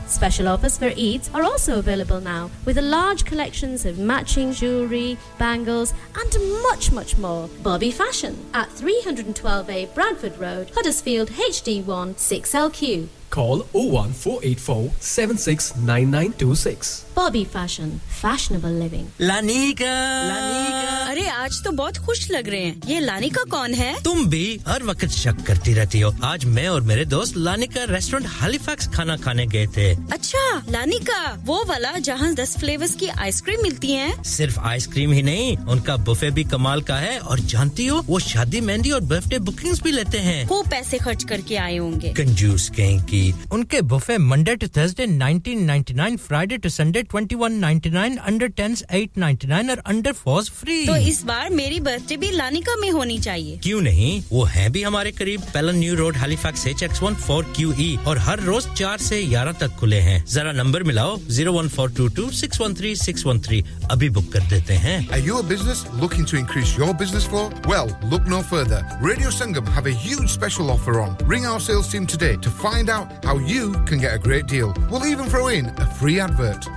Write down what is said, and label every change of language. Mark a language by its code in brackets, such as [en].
[en] Special offers for Eid are also available now, with a large collections of matching jewellery, bangles and much, much more. Bobby Fashion at 312A Bradford Road, Huddersfield HD1 6LQ. Call 01484 769926. Bobby Fashion, fashionable living. Lanika! Lanika! [hi] अरे आज तो बहुत खुश लग रहे हैं. ये Lanika कौन है? तुम भी हर वक्त शक करती रहती हो. आज मैं और मेरे दोस्त लानिका रेस्टोरेंट हैलिफैक्स खाना खाने गए थे. अच्छा, लानिका, वो वाला जहां 10 फ्लेवर्स की आइसक्रीम मिलती हैं? सिर्फ आइसक्रीम ही नहीं, उनका बुफे भी कमाल का है. और जानती हो, वो शादी मेहंदी और बर्थडे बुकिंग्स भी लेते हैं. वो पैसे खर्च करके आए होंगे. कंजूस कहेंगी. उनके buffet Monday to Thursday 19.99, Friday to Sunday 21.99, under 10s 8.99 और अंडर 4s फ्री. तो इस बार मेरी बर्थडे भी लानिका में होनी चाहिए. क्यों नहीं, वो है भी हमारे करीब. पेलन न्यू रोड हैलिफैक्स HX14QE और हर रोज 4 से 11 तक खुले हैं. जरा नंबर मिलाओ 01422613613. अभी बुक कर देते हैं. [en] Are you a business looking to increase your business flow? Well, look no further. Radio Sangam have a huge special offer on. Ring our sales team today to find out how you can get a great deal. We'll even throw in a free advert.